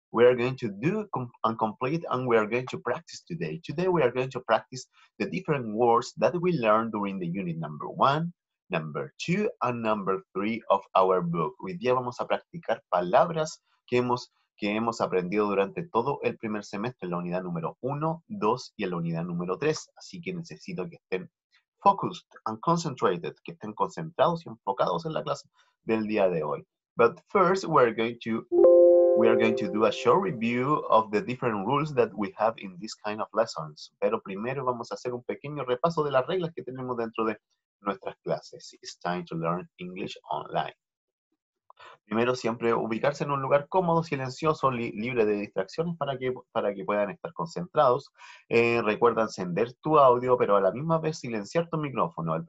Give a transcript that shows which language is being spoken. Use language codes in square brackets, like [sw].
[en] We are going to do and complete, and we are going to practice today. Today we are going to practice the different words that we learned during the unit number one, number two, and number three of our book. [es] Hoy día vamos a practicar palabras que hemos aprendido durante todo el primer semestre, la unidad número 1, 2 y la unidad número 3. Así que necesito que estén [en] focused and concentrated, [es] que estén concentrados y enfocados en la clase del día de hoy. [en] But first, we are going to do a short review of the different rules that we have in this kind of lessons. [es] Pero primero vamos a hacer un pequeño repaso de las reglas que tenemos dentro de nuestras clases. [en] It's time to learn English online. [es] Primero, siempre ubicarse en un lugar cómodo, silencioso, libre de distracciones para que puedan estar concentrados. Recuerda encender tu audio, pero a la misma vez silenciar tu micrófono.